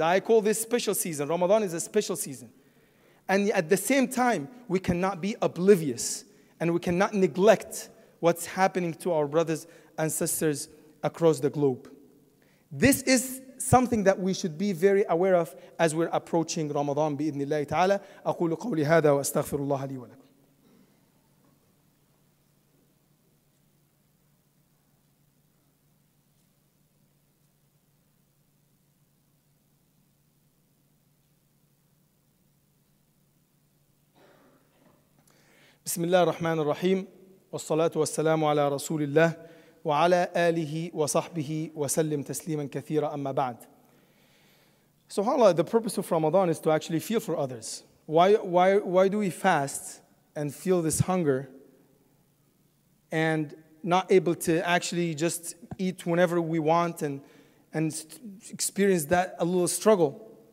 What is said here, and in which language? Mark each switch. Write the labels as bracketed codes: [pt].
[en] I call this special season. Ramadan is a special season. And at the same time, we cannot be oblivious and we cannot neglect what's happening to our brothers and sisters across the globe. This is something that we should be very aware of as we're approaching Ramadan [ar] بإذن الله تعالى. أقول قولي هذا وأستغفر الله لي ولكم. بسم الله الرحمن الرحيم والصلاة والسلام على رسول الله وعلى آله وصحبه وسلم تسليما كثيرا أما بعد. [en] SubhanAllah, the purpose of Ramadan is to actually feel for others. Why do we fast and feel this hunger and not able to actually just eat whenever we want and experience that a little struggle?